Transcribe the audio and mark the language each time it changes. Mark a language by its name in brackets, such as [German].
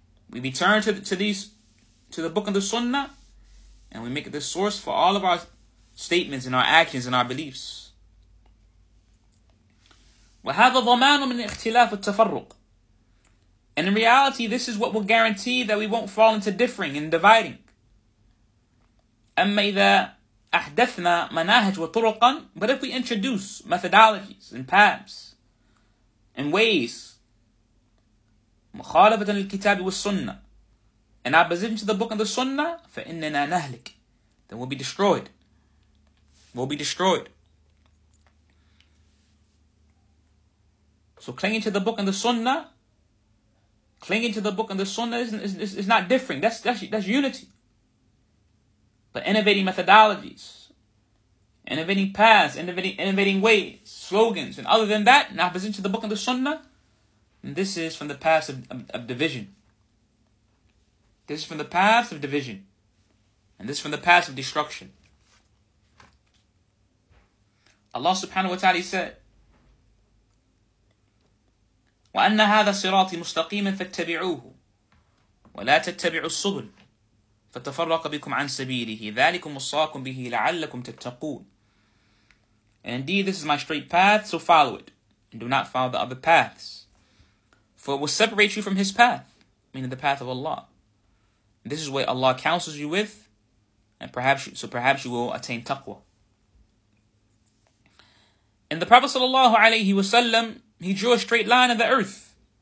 [English] We return to the book of the sunnah, and we make it the source for all of our statements and our actions and our beliefs. [Arabic] وَهَذَا ضَمَانٌ مِنْ اِخْتِلَافُ التَّفَرُّقِ. [English] And in reality, this is what will guarantee that we won't fall into differing and dividing. [Arabic] أَمَّا إِذَا أَحْدَثْنَا مَنَاهَجْ وَطُرُقًا. [English] But if we introduce methodologies and paths and ways, [Arabic] مُخَالَفَةً لِلْكِتَابِ وَالسُّنَّةِ, [English] in opposition to the book and the sunnah, [Arabic] فَإِنَّنَا نَهْلِكِ, [English] then we'll be destroyed. We'll be destroyed. So clinging to the book and the sunnah, clinging to the book and the sunnah is not differing. That's unity. But innovating methodologies, innovating paths, innovating ways, slogans, and other than that, in opposition to the book and the sunnah, and this is from the path of division. This is from the path of division. And this is from the path of destruction. Allah subhanahu wa ta'ala said, [Arabic] وَأَنَّ هَذَا صِرَاطِ مُسْتَقِيمًا فَاتَّبِعُوهُ وَلَا تَتَّبِعُوا السُّبُلْ فَتَفَرَّقَ بِكُمْ عَنْ سَبِيلِهِ ذَلِكُمْ وَصَّاكُمْ بِهِ لَعَلَّكُمْ تَتَّقُونَ. [English] And indeed, this is my straight path, so follow it. And do not follow the other paths. For it will separate you from His path, meaning the path of Allah. This is what Allah counsels you with, and perhaps you will attain taqwa. And the Prophet sallallahu alayhi wa sallam, he drew a straight line of the earth.